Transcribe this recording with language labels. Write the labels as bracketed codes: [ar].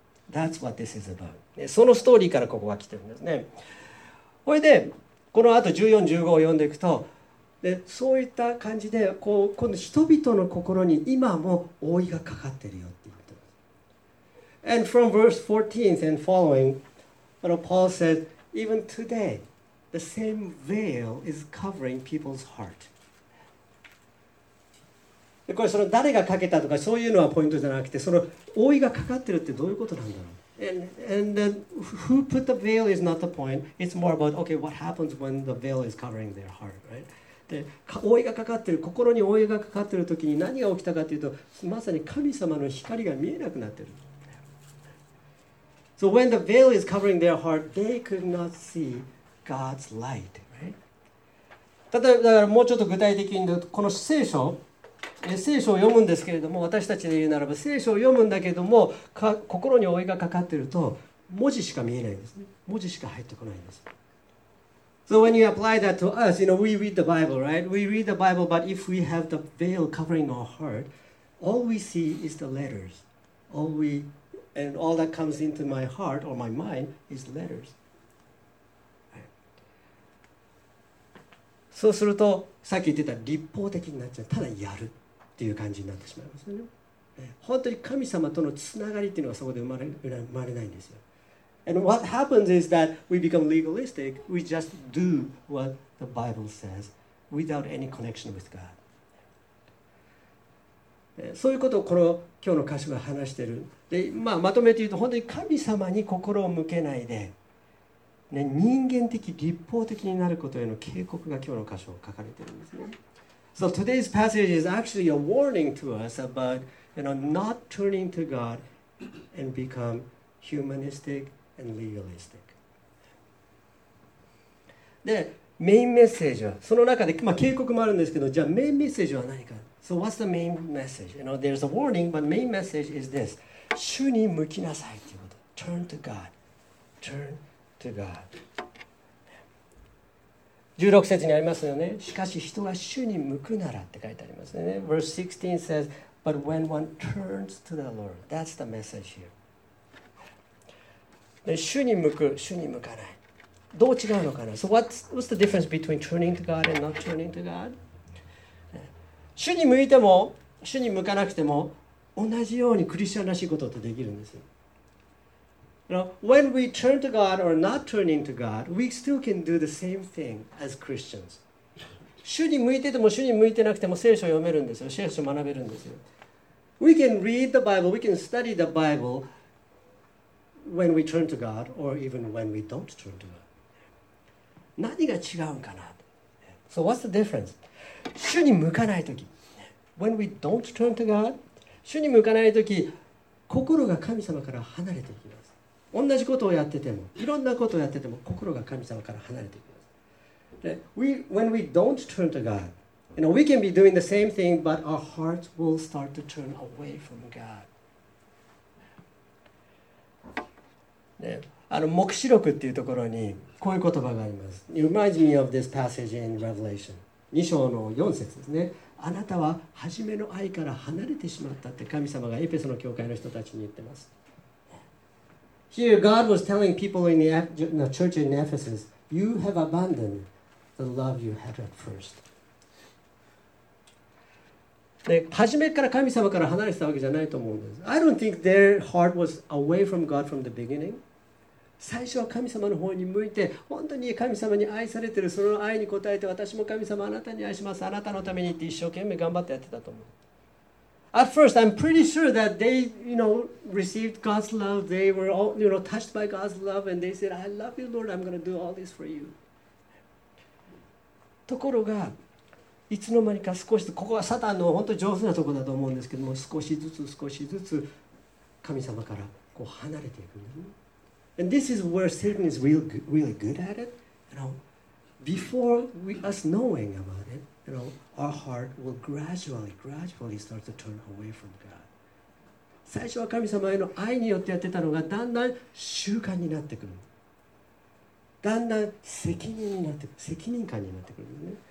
[en] That's what this is about. [ja] そのストーリーからここは来てるんですね。これでこの後14、15を読んでいくと、でそういった感じでこう今度人々の心に今も覆いがかかってるよって言ってます。 [en] And from verse 14 and following, Paul said, even today, the same veil is covering people's heart. [ja] でこれその誰がかけたとかそういうのはポイントじゃなくて、その覆いがかかってるってどういうことなんだろう。 [en] And then who put the veil is not the point. It's more about, okay, what happens when the veil is covering their heart, right? [ja] で覆いがかかってる、心に覆いがかかってる時に何が起きたかというと、まさに神様の光が見えなくなってる。 [en] So when the veil is covering their heart, they could not see God's light, right? [ja] だからもうちょっと具体的に言うと、この聖書、聖書を読むんですけれども、私たちで言うならば聖書を読むんだけれども、心に覆いがかかってると文字しか見えないんですね。文字しか入ってこないんです。 [en] So when you apply that to us, you know, we read the Bible, right? We read the Bible, but if we have the veil covering our heart, all we see is the letters. And all that comes into my heart or my mind is letters. [ja] そうすると、さっき言ってた立法的になっちゃう。ただやるっていう感じになってしまいますよね。本当に神様とのつながりっていうのはそこで生まれないんですよ。 [en] And what happens is that we become legalistic. We just do what the Bible says without any connection with God. [ja] そういうことをこの今日の箇所が話してる。で、まあ、まとめて言うと、本当に神様に心を向けないで、ね、人間的、立法的になることへの警告が今日の箇所を書かれてるんですね。 [en] So today's passage is actually a warning to us about, you know, not turning to God and become humanistic and legalistic. [ja] で、メインメッセージは、その中で、まあ、警告もあるんですけど、じゃあメインメッセージは何か。 [en] So what's the main message? You know, there's a warning, but main message is this. [ja] 主に向きなさいということ。 [en] Turn to God. Turn to God. [ja] 16節にありますよね。しかし人が主に向くならって書いてありますね。 [en] Verse 16 says, But when one turns to the Lord, that's the message here. [ja] で、主に向く、主に向かない。どう違うのかな？ [en] So what's the difference between turning to God and not turning to God? [ja] 主に向いても、主に向かなくても、同じようにクリスチャンらしいことってできるんです。 [en] You know, when we turn to God or not turning to God, we still can do the same thing as Christians. [ja] 主に向いてても主に向いてなくても聖書を読めるんですよ。聖書を学べるんですよ。 [en] We can read the Bible, we can study the Bible when we turn to God or even when we don't turn to God. [ja] 何が違うんかな？ [en] So what's the difference? [ja] 主に向かないとき。 [en] When we don't turn to God, [ja] 主に向かないとき、心が神様から離れていきます。同じことをやってても、いろんなことをやってても、心が神様から離れていきます。 [en] で、when we don't turn to God, you know, we can be doing the same thing, but our hearts will start to turn away from God. [ja] で、あの、黙示録っていうところに、こういう言葉があります。 [en] It reminds me of this passage in Revelation. [ja] 2章の4節ですね。あなたは初めの愛から離れてしまったって神様がエペソの教会の人たちに言ってます。 [en] Here, God was telling people in the church in Ephesus, you have abandoned the love you had at first. [ja] で、初めから神様から離れてたわけじゃないと思うんです。 [en] I don't think their heart was away from God from the beginning. [ja] 最初は神様の方に向いて、本当に神様に愛されてる、その愛に応えて、私も神様あなたに愛します、あなたのためにって一生懸命頑張ってやってたと思う。 [en] At first, I'm pretty sure that they, you know, received God's love. They were all, you know, touched by God's love, and they said, "I love you, Lord. I'm going to do all this for you." [ja] ところが、いつの間にか少しずつ、ここはサタンの本当に上手なところだと思うんですけども、少しずつ少しずつ神様からこう離れていく。 [en] And this is where Satan is really good at it. You know, before us knowing about it. You know, our heart will gradually start to turn away from God. [ja] 最初は神様への愛によってやってたのがだんだん習慣になってくる。だんだん責任になってくる。責任感になってくる、ね。